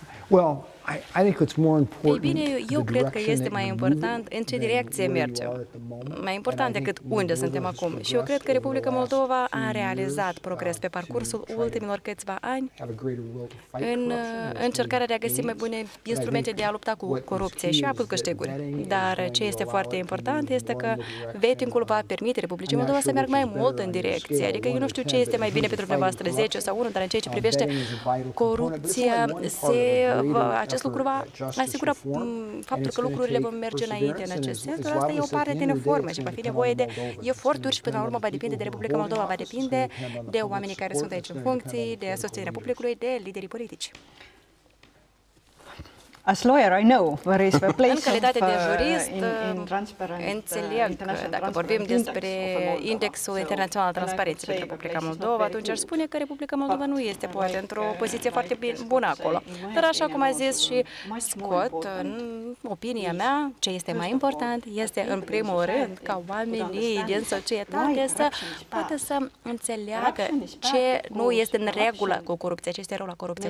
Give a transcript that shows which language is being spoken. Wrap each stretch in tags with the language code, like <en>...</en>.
<en>Well, I think it's more important.</en> <ro>Ei bine, eu cred că este mai important în ce direcție mergem. Mai important decât unde suntem acum. Și eu cred că Republica Moldova a realizat progres pe parcursul ultimilor câțiva ani în încercarea de a găsi mai bune instrumente de a lupta cu corupția și a avut câștiguri. Dar ce este foarte important este că vettingul va permite Republicii Moldova să meargă mai mult în direcție. Adică eu nu știu ce este mai bine pentru dumneavoastră, 10 sau 1, dar în ceea ce privește corupția, acest lucru va asigura faptul că lucrurile vor merge înainte în acest sens. Asta e o parte din reformă și va fi nevoie de eforturi și, până la urmă, va depinde de Republica Moldova, va depinde de oamenii care sunt aici în funcții, de asociația Republicului, de liderii politici.</ro> <en>As lawyer, I know where is the place.</en> <ro>În calitate de jurist, înțeleg că dacă vorbim despre indexul internațional al transparenței pentru Republica Moldova, atunci ar spune că Republica Moldova nu este poate într-o poziție foarte bună acolo. Dar așa cum a zis și Scott, în opinia mea, ce este mai important este, în primul rând, ca oamenii din societate să poată să înțeleagă ce nu este în regulă cu corupția, ce este rău la corupție.</ro>